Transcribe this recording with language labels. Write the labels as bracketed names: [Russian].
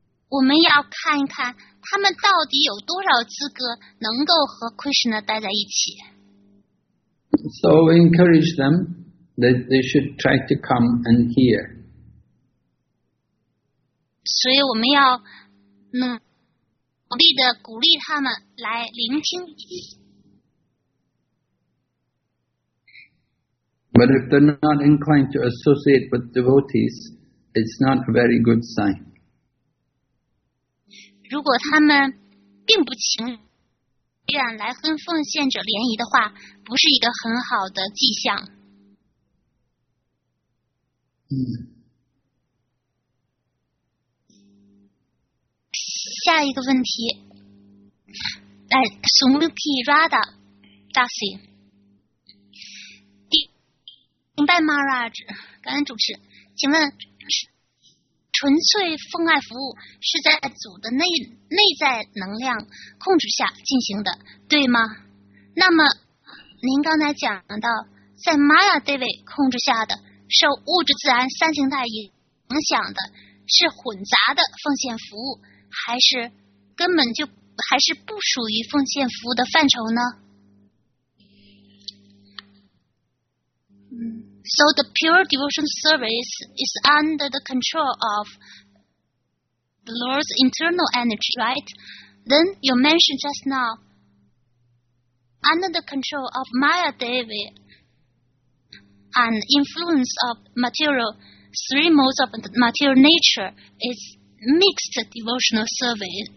[Chinese] 我们要看一看他们到底有多少资格能够和 Krishna 待在一起。 [English] So we encourage them that they should try to come and hear. [Chinese] 所以我们要努力地鼓励他们来聆听。 [English] But if they're not inclined to associate with devotees, it's not a very good sign. [Chinese] 如果他们并不情愿来跟奉献者联谊的话，不是一个很好的迹象。下一个问题，来 Sumuki Radha Dasi。明白 Maharaj， 感恩主持。请问纯粹奉爱服务是在组的 内在能量控制下进行的，对吗？那么您刚才讲到在 Maya Devi 控制下的受物质自然三形态影响的是混杂的奉献服务，还是根本就还是不属于奉献服务的范畴呢？ [English] So the pure devotion service is under the control of the Lord's internal energy, right? Then you mentioned just now, under the control of Maya Devi and influence of material, three modes of material nature is mixed devotional service.